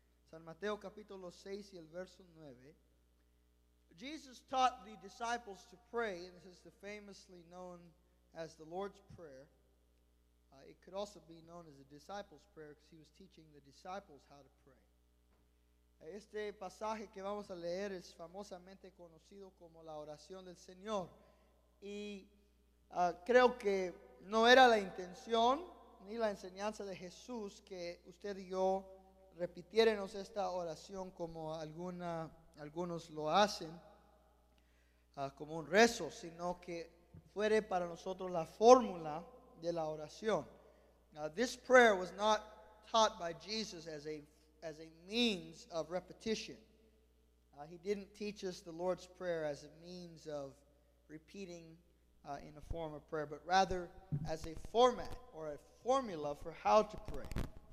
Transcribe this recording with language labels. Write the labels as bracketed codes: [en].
[es] San Mateo capítulo 6 y el verso 9. [en] Jesus taught the disciples to pray, and this is the famously known as the Lord's Prayer. It could also be known as the disciples' prayer because he was teaching the disciples how to pray. [es] Este pasaje que vamos a leer es famosamente conocido como la oración del Señor. Y creo que no era la intención ni la enseñanza de Jesús que usted y yo repitiéramos esta oración como algunos lo hacen, como un rezo, sino que fuere para nosotros la fórmula de la oración. [en] Now, this prayer was not taught by Jesus as a means of repetition. He didn't teach us the Lord's Prayer as a means of repeating in the form of prayer, but rather as a format or a formula for how to pray.